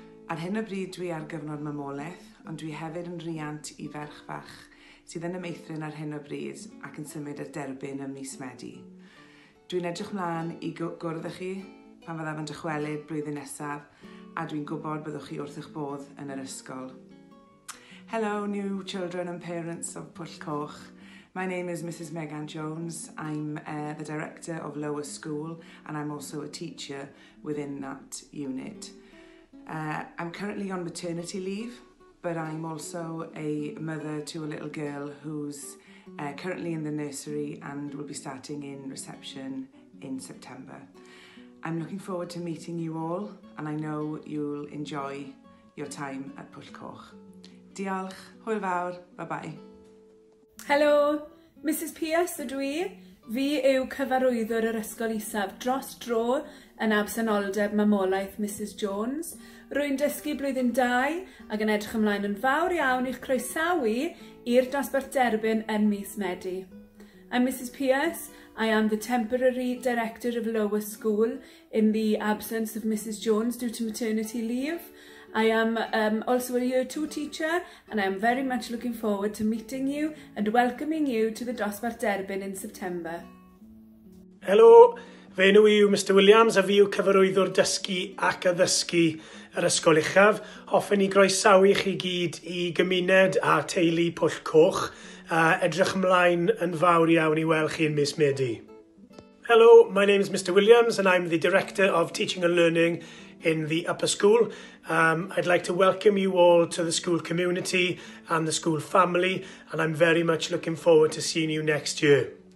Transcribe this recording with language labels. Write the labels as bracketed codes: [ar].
[cy] Ar hyn o bryd dwi ar gyfnod mamoleth, ond dwi hefyd yn riant i ferch fach sydd yn y meithrin ar hyn o bryd ac yn symud ar derbyn ym mis Medi. Dwi'n edrych mlaen i gwrdd â chi pan fyddaf yn dychwelyd blwyddyn nesaf a dwi'n gwybod byddwch chi wrth eich bodd yn yr ysgol. [en] Hello new children and parents of Pwllcoch. My name is Mrs Megan Jones. I'm the director of lower school and I'm also a teacher within that unit. I'm currently on maternity leave but I'm also a mother to a little girl who's currently in the nursery and will be starting in reception in September. I'm looking forward to meeting you all and I know you'll enjoy your time at Pwllcoch. [cy] Diolch, hwyl fawr, [en] bye bye. [cy] Hello, Mrs Pierce ydw i. Fi yw cyfarwyddwr yr ysgol isaf dros dro yn absenoldeb mamolaeth Mrs Jones. Rwy'n dysgu blwyddyn 2 ac yn edrych ymlaen yn fawr iawn i'ch croesawu i'r Dosbarth Derbyn yn mis Medi. [en] I'm Mrs Pierce, I am the temporary director of lower school in the absence of Mrs Jones due to maternity leave. I am also a year 2 teacher and I am very much looking forward to meeting you and welcoming you to the Dosbarth Derbyn in September. [cy] Hello, fe enw i yw Mr Williams a fi yw cyfarwyddwr dysgu ac addysgu yr ysgol uchaf. Hoffwn i groesawu chi gyd i gymuned a teulu Pwllcoch. Edrych ymlaen yn fawr iawn i weld chi yn mis Medi. [en] Hello, my name is Mr Williams and I'm the Director of Teaching and Learning in the Upper School. I'd like to welcome you all to the school community and the school family and I'm very much looking forward to seeing you next year.